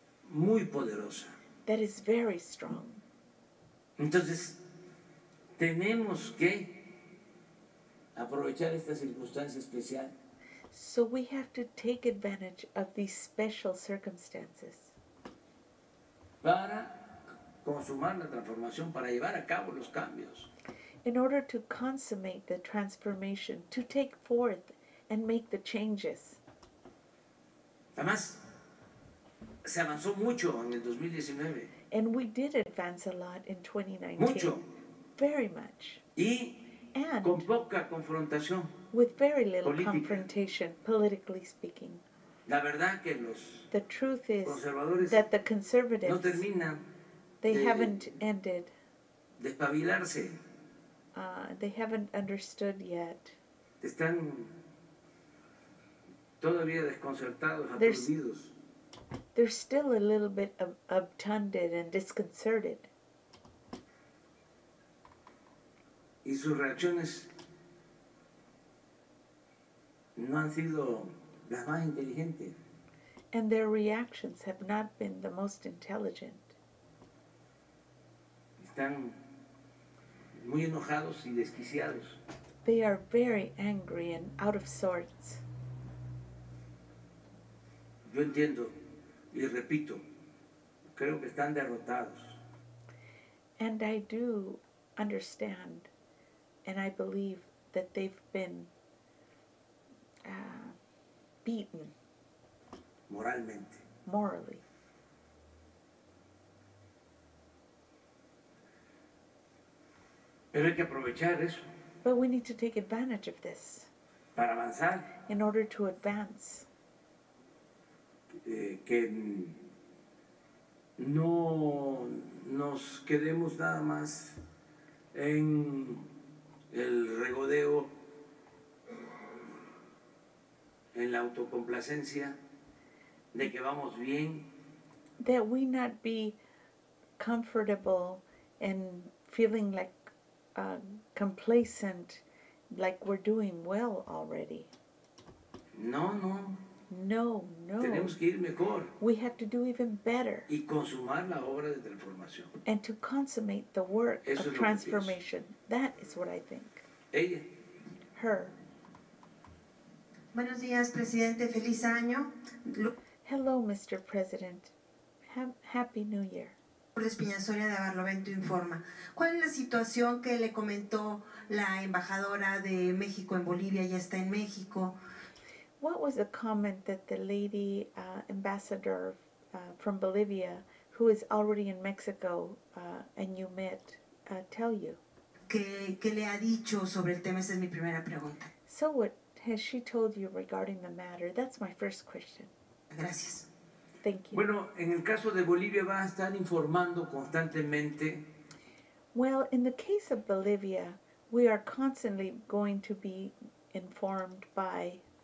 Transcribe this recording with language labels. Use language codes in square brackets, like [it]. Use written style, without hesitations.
[es] muy poderosa [en] That is very strong. [es] Entonces, tenemos que aprovechar esta circunstancia especial. [en] So we have to take advantage of these special circumstances. [es] Para consumar la transformación, para llevar a cabo los cambios. [en] In order to consummate the transformation, to take forth and make the changes. [es] Además, se avanzó mucho en el 2019. [en] And we did advance a lot in 2019. [es] Mucho. [en] Very much. [es] Y and con poca confrontación. [en] With very little [es] política. [en] Confrontation, politically speaking. [es] La verdad que los [en] the truth is [es] conservadores [en] that the conservatives [es] no terminan [en] they haven't ended. [es] De espabilarse. [en] They haven't understood yet. [es] Están todavía desconcertados, aturdidos. [en] They're still a little bit obtunded and disconcerted. [es] Y sus reacciones no han sido las más inteligentes. [en] And their reactions have not been the most intelligent. [es] Están muy enojados y desquiciados. [en] They are very angry and out of sorts. [es] Yo entiendo y repito, creo que están derrotados. [en] And I do understand and I believe that they've been beaten. [es] Moralmente. [en] Morally. [es] Pero hay que aprovechar eso. [en] But we need to take advantage of this. [es] Para avanzar. [en] In order to advance. [es] Que no nos quedemos nada más en el regodeo, en la autocomplacencia de que vamos bien. [en] That we not be comfortable and feeling like complacent, like we're doing well already. [es] No, no. [en] No, no. [es] Tenemos que ir mejor. [en] We have to do even better. [es] Y consumar la obra de transformación. [en] And to consummate the work [es] eso [en] of transformation. That is what I think. [es] Ella. [en] Her. [es] Buenos días, Presidente. Feliz año. [en] Hello, Mr. President. Happy New Year. [es] Lourdes Piñasoya de Barlovento informa. ¿Cuál es la situación que le comentó la embajadora de México en Bolivia? Ya está en México. [en] What was the comment that the lady ambassador from Bolivia, who is already in Mexico and you met, tell you? [es] ¿Qué le ha dicho sobre el tema? Esa es mi primera pregunta. [en] So what has she told you regarding the matter? That's my first question. [es] Gracias. [en] Thank you. [es] Bueno, en el caso de Bolivia va a estar informando constantemente. [en] Well, in the case of Bolivia, we are constantly going to be informed by